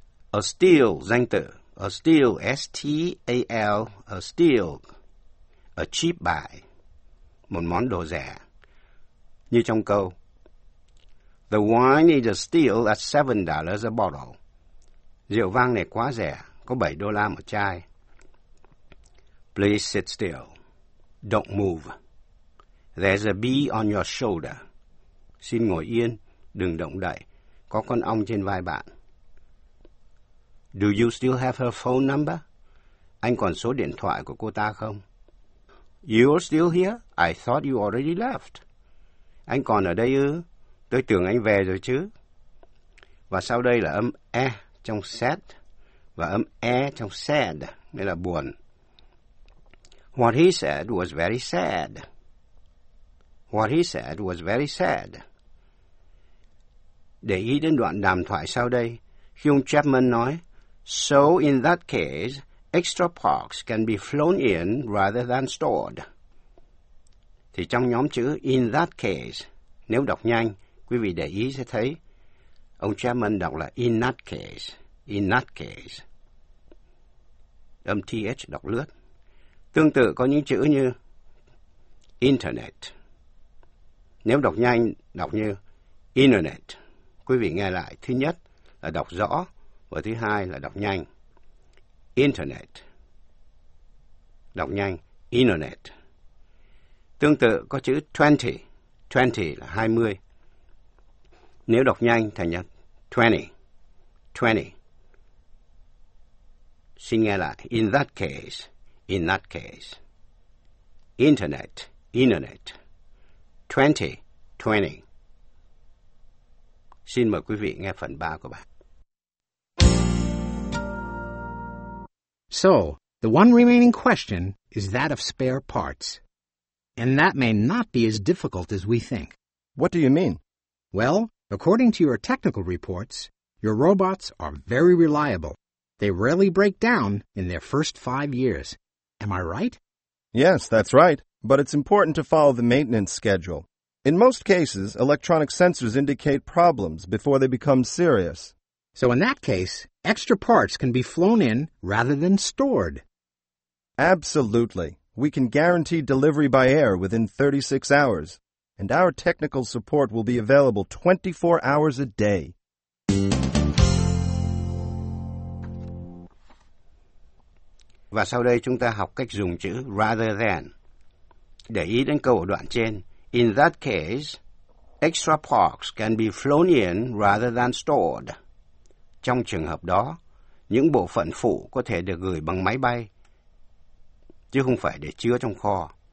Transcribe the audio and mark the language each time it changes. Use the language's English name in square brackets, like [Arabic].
[English] A steal, [Vietnamese] danh từ, [English] a steal, S-T-A-L, a steal, a cheap buy, [Vietnamese] một món đồ rẻ. Như trong câu, [English] the wine is a steal at $7 a bottle. [Vietnamese] Rượu vang này quá rẻ, có $7 một chai. [English] Please sit still. Don't move. There's a bee on your shoulder. [Vietnamese] Xin ngồi yên, đừng động đậy. Có con ong trên vai bạn. [English] Do you still have her phone number? [Vietnamese] Anh còn số điện thoại của cô ta không? [English] You're still here? I thought you already left. [Vietnamese] Anh còn ở đây ư? Tôi tưởng anh về rồi chứ. Và sau đây là âm e trong sad và âm e trong sad, nghĩa là buồn. [English] What he said was very sad. What he said was very sad. [Vietnamese] Để ý đến đoạn đàm thoại sau đây, khi ông Chapman nói, [English] So in that case, extra parts can be flown in rather than stored. [Vietnamese] Thì trong nhóm chữ [English] in that case, [Vietnamese] nếu đọc nhanh, quý vị để ý sẽ thấy ông Chapman đọc là in that case, in that case. Âm TH đọc lướt. Tương tự có những chữ như internet. Nếu đọc nhanh, đọc như internet. Quý vị nghe lại, thứ nhất là đọc rõ và thứ hai là đọc nhanh. Internet. Đọc nhanh, internet. Tương tự có chữ 20. 20 là 20. Nếu đọc nhanh thành 20. 20. Xin nghe lại. [English] In that case. In that case. Internet. Internet. 20. 20. [Vietnamese] Xin mời quý vị nghe phần 3 của bài. [English] So, the one remaining question is that of spare parts. And that may not be as difficult as we think. What do you mean? Well, according to your technical reports, your robots are very reliable. They rarely break down in their first 5 years. Am I right? Yes, that's right. But it's important to follow the maintenance schedule. In most cases, electronic sensors indicate problems before they become serious. So in that case, extra parts can be flown in rather than stored. Absolutely. We can guarantee delivery by air within 36 hours, and our technical support will be available 24 hours a day. [Vietnamese] Và sau đây chúng ta học cách dùng chữ rather than. Để ý đến câu ở đoạn trên, [English] in that case, extra parts can be flown in rather than stored. [Vietnamese] Trong trường hợp đó, những bộ phận phụ có thể được gửi bằng máy bay, chứ không phải để chứa trong kho.